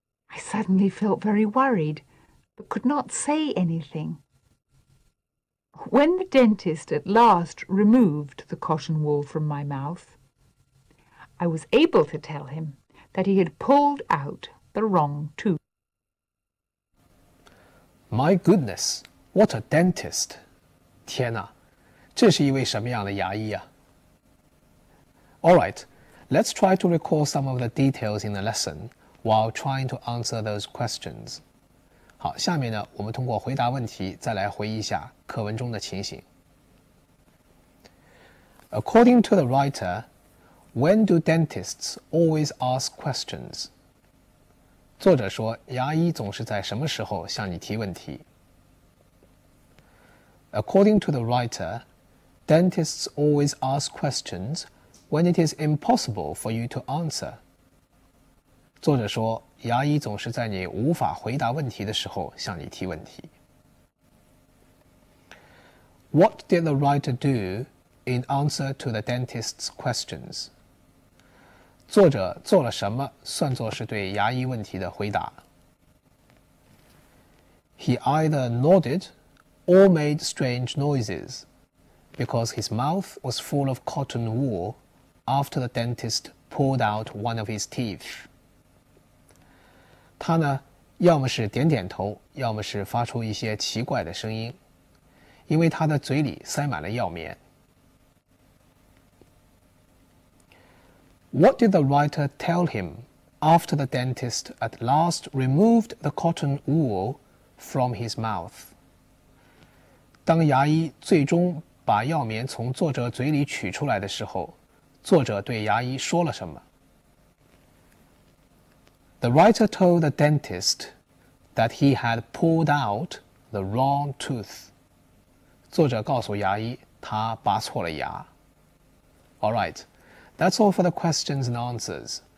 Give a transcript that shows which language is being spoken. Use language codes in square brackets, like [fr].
[en] I suddenly felt very worried, but could not say anything. When the dentist at last removed the cotton wool from my mouth, I was able to tell him that he had pulled out the wrong tooth. My goodness, what a dentist! [zh] 天哪，这是一位什么样的牙医啊？ [en] Alright, let's try to recall some of the details in the lesson while trying to answer those questions. [zh] 好，下面呢，我们通过回答问题再来回忆一下课文中的情形。 [en] According to the writer, when do dentists always ask questions? [zh] 作者说，牙医总是在什么时候向你提问题？ [en] According to the writer, dentists always ask questions. When it is impossible for you to answer. [zh] 作者说，牙医总是在你无法回答问题的时候向你提问题。 [en] What did the writer do in answer to the dentist's questions? [zh] 作者做了什么，算作是对牙医问题的回答。 [en] He either nodded or made strange noises, because his mouth was full of cotton wool,After the dentist pulled out one of his teeth. [zh] 他呢，要么是点点头，要么是发出一些奇怪的声音，因为他的嘴里塞满了药棉。 [en] What did the writer tell him after the dentist at last removed the cotton wool from his mouth? [zh] 当牙医最终把药棉从作者嘴里取出来的时候，作者对牙医说了什么？ [en] The writer told the dentist that he had pulled out the wrong tooth. [zh] 作者告诉牙医他拔错了牙。 [en] Alright, that's all for the questions and answers.